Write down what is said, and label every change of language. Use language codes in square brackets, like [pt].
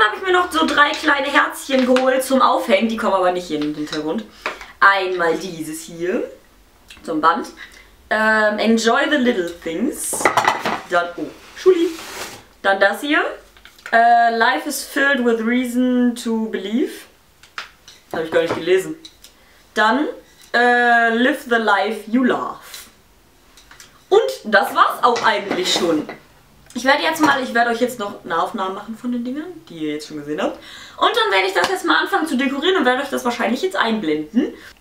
[de] noch so drei kleine Herzchen geholt zum Aufhängen. Die kommen aber nicht hier in den Hintergrund. Einmal dieses hier zum Band. [en] Enjoy the little things. [de] Dann, oh, Schuli. Dann das hier. [en] Life is filled with reason to believe. [de] Habe ich gar nicht gelesen. Dann [en] live the life you love. [de] Und das war's auch eigentlich schon. Ich werde euch jetzt noch eine Aufnahme machen von den Dingern, die ihr jetzt schon gesehen habt. Und dann werde ich das jetzt mal anfangen zu dekorieren und werde euch das wahrscheinlich jetzt einblenden.